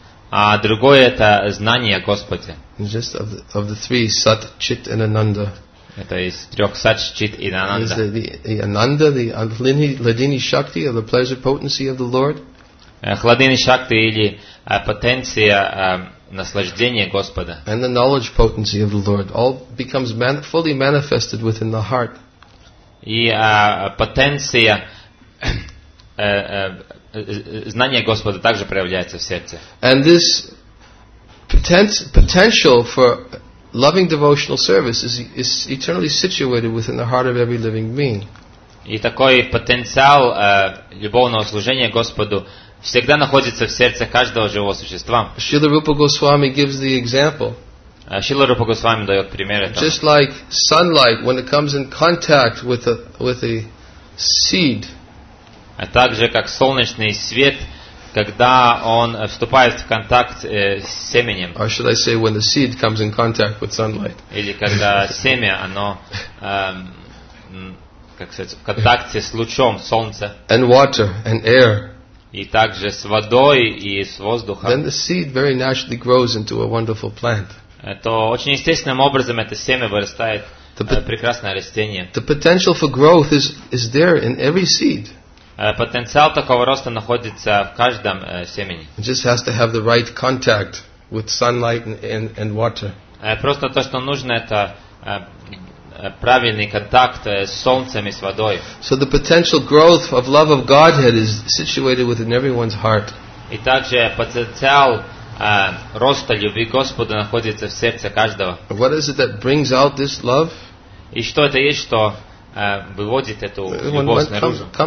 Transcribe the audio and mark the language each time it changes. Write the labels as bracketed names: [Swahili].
[Russian] А другое – это знание о Господе. [English] Just of the three, Sat, Chit and Ananda. [Russian] Это из трех – Сат, Чит и [English] Ананда. The Ladini Shakti, or the pleasure potency of the Lord. [Russian] Хладыни Шакты или потенция наслаждения Господа. [English] And the knowledge potency of the Lord. All becomes fully manifested within the heart. [Russian] И потенция знание Господа также проявляется в сердце. [English] And this potential for loving devotional service is eternally situated within the heart of every living being. [Russian] И такой потенциал любовного служения Господу всегда находится в сердце каждого живого существа. [English] Srila Rupa Goswami gives the example. [Russian] Srila Rupa Goswami дает пример этого. [English] Just like sunlight when it comes in contact with a seed. [Russian] так же как солнечный свет, когда он вступает в контакт с семенем. [English] Or should I say when the seed comes in contact with sunlight? [Russian] Или когда семя, оно, как сказать, в контакте с лучом солнца. [English] And water and air. [Russian] И также с водой и с воздухом. [English] Then the seed very naturally grows into a wonderful plant. [Russian] Это очень естественным образом это семя вырастает прекрасное растение. [English] The potential for growth is there in every seed. [Russian] Потенциал такого роста находится в каждом семени. [English] It just has to have the right contact with sunlight and water. [Russian] Просто то, что нужно, это правильный контакт с солнцем и с водой. [English] So the potential growth of love of Godhead is situated within everyone's heart. [Russian] И также потенциал роста любви Господа находится в сердце каждого. [English] What is it that brings out this love? [Russian] И что это есть, что выводит эту любовь наружу?